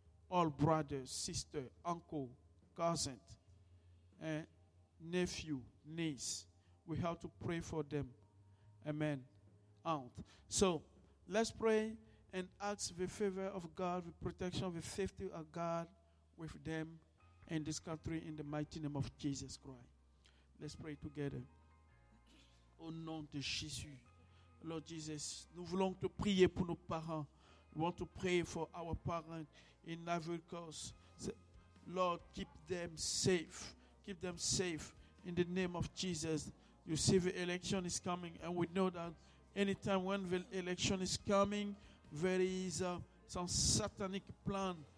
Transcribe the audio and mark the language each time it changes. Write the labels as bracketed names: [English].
[English] All brothers, sisters, uncle, cousins, nephew, niece. We have to pray for them. Amen. Aunt. So let's pray and ask the favor of God, the protection, the safety of God with them in this country in the mighty name of Jesus Christ. Let's pray together. [French] Au nom de Jésus, [English] Lord Jesus, [French] nous voulons te prier pour nos parents. [English] We want to pray for our parents in Ivory Coast. Lord, keep them safe. Keep them safe in the name of Jesus. You see, the election is coming, and we know that anytime when the election is coming, there is some satanic plan.